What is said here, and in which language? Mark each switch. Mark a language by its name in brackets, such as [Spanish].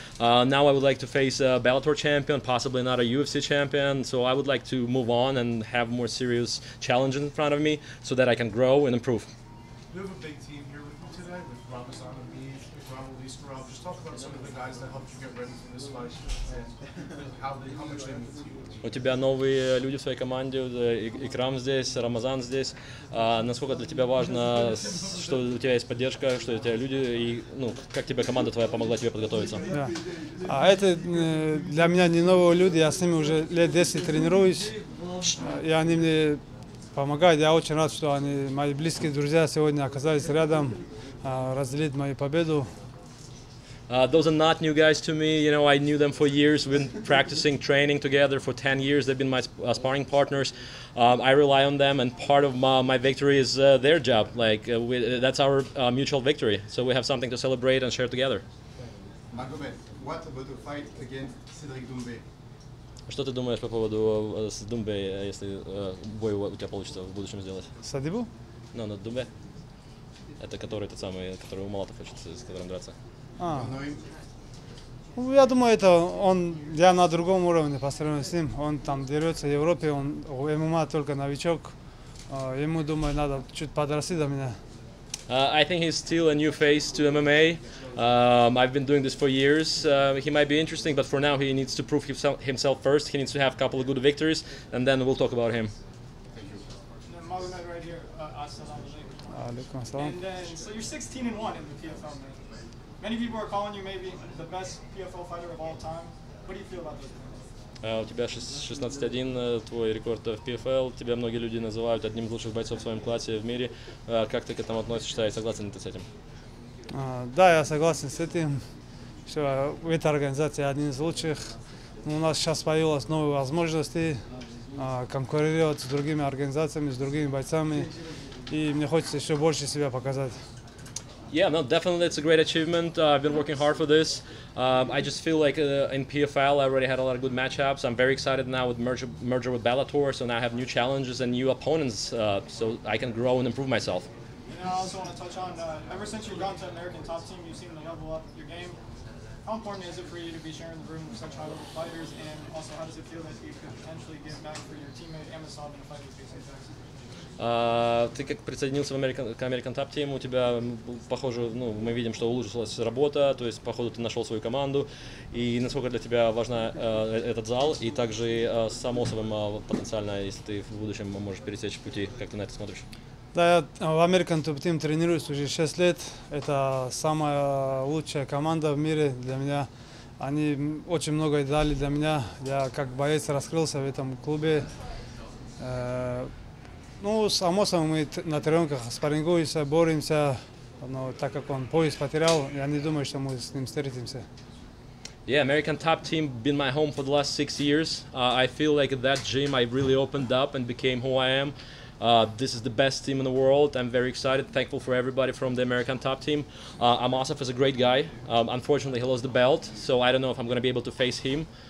[English] Now I would like to face a Bellator champion, possibly not a UFC champion. So I would like to move on and have more serious challenges in front of me so that I can grow and improve. You have a big team here with you today, with Ramazan Ameed, Ronald Iskarov. Just talk about some of the guys that helped you get ready for this fight and how much they mean to you. [Russian] У тебя новые люди в своей команде, Икрам здесь, Рамазан здесь. Насколько для тебя важно, что у тебя есть поддержка, что у тебя люди, и ну, как тебе команда твоя помогла тебе подготовиться? Да. А это для меня не новые люди, я с ними уже лет 10 тренируюсь, и они мне помогают. Я очень рад, что они, мои близкие друзья сегодня оказались рядом, разделить мою победу. [English] Those are not new guys to me. You know, I knew them for years. We've been practicing, training together for 10 years. They've been my sparring partners. I rely on them, and part of my victory is their job. Like, that's our mutual victory. So we have something to celebrate and share together. Magomed, what about the fight against Cedric Doumbé? [Russian] Что ты думаешь по поводу Doumbé, если бой у тебя получится в будущем сделать? Садибу? Ну, на Doumbé. Это который тот самый, который у Малата хочет с которым драться. А. Ну, я думаю, это он, я на другом уровне по сравнению с ним. Он там дерется в Европе, он у ММА только новичок. Ему, думаю, надо чуть подрасти до меня. [English] I think he's still a new face to MMA. I've been doing this for years. He might be interesting, but for now he needs to prove himself first. He needs to have a couple of good victories, and then we'll talk about him. Thank you. Magomed, right here. Assalamu [Arabic] alaikum. Assalamu [English] alaikum. So you're 16-1 in the PFL. Many people are calling you maybe the best PFL fighter of all time. What do you feel about this? [Russian] У тебя 16-1, твой рекорд в PFL. Тебя многие люди называют одним из лучших бойцов в своем классе в мире. Как ты к этому относишься? Я согласен ли ты с этим? Да, я согласен с этим, что в этой организации один из лучших. У нас сейчас появилась новая возможность конкурировать с другими организациями, с другими бойцами. И мне хочется еще больше себя показать. [English] Yeah, no, definitely it's a great achievement. I've been working hard for this. I just feel like in PFL I already had a lot of good matchups. I'm very excited now with merger with Bellator, so now I have new challenges and new opponents, so I can grow and improve myself. And I also want to touch on, ever since you've gone to American Top Team, you've seen the level up your game. How important is it for you to be sharing the room with such high-level fighters, and also how does it feel that you could potentially give back for your teammate Amosov in a fight with Casey Jackson? [Russian] Ты как присоединился к American Top Team, у тебя, похоже, ну, мы видим, что улучшилась работа, то есть, походу, ты нашел свою команду, и насколько для тебя важна этот зал, и также с Амосовым потенциально, если ты в будущем можешь пересечь пути, как ты на это смотришь? Да, я в American Top Team тренируюсь уже 6 лет, это самая лучшая команда в мире для меня, они очень многое дали для меня, я как боец раскрылся в этом клубе. Ну, с Амосом мы на тренировках спаррингуемся, боремся, но так как он пояс потерял, я не думаю, что мы с ним встретимся. [English] Yeah, American Top Team been my home for the last 6 years. I feel like that gym I really opened up and became who I am. This is the best team in the world. I'm very excited, thankful for everybody from the American Top Team. Amosov is a great guy. Unfortunately, he lost the belt, so I don't know if I'm going to be able to face him.